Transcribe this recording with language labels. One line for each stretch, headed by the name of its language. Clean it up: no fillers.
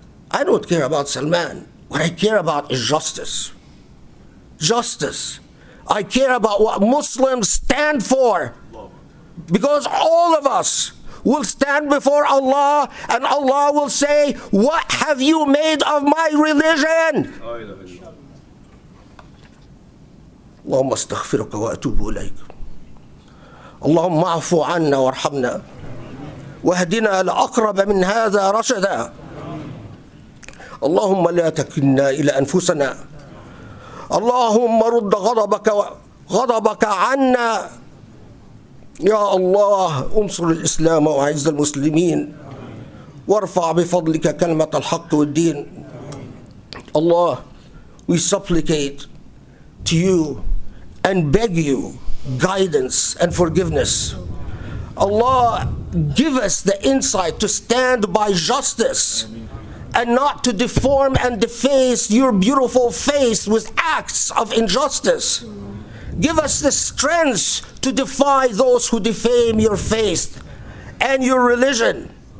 English: I don't care about Salman. What I care about is justice. Justice. I care about what Muslims stand for. Because all of us will stand before Allah, and Allah will say, what have you made of my religion?
Arabic: اللهم استغفرك واتوب اليك اللهم اعف عنا وارحمنا واهدنا لاقرب من هذا رشدا اللهم لا تكلنا الى انفسنا اللهم رد غضبك عنا يا الله انصر الاسلام واعز المسلمين وارفع بفضلك كلمه الحق والدين الله
English: we supplicate to you and beg you guidance and forgiveness. Allah, give us the insight to stand by justice and not to deform and deface your beautiful face with acts of injustice. Give us the strength to defy those who defame your faith and your religion.